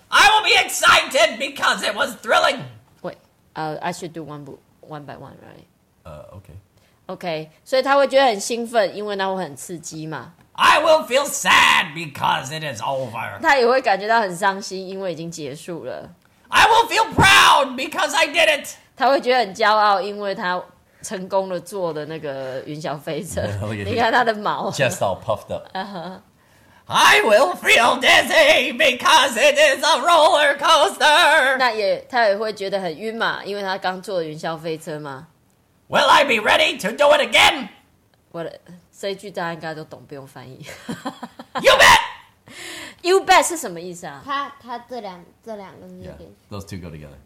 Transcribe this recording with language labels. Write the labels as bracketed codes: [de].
[en] I will be excited because it was thrilling! I should do one by one, right? Okay. [zh] Okay, 所以他会觉得很兴奋，因为那会很刺激嘛。 [en] I will feel sad because it is over. [zh] 他也会感觉到很伤心，因为已经结束了。 [en] I will feel proud because I did it. [zh] 他会觉得很骄傲，因为他成功的坐的那个云霄飞车。你看他的毛 [en] Just all puffed up、uh-huh. I will feel dizzy because it is a roller coaster. [zh] 那也他也会觉得很晕嘛，因为他刚坐云霄飞车嘛。 [en] Will I be ready to do it again? [zh] 我的这一句大家应该都懂，不用翻译。 [en] You bet! [zh] You bet 是什么意思啊？他这两个字。 [en] Yeah, those two go together.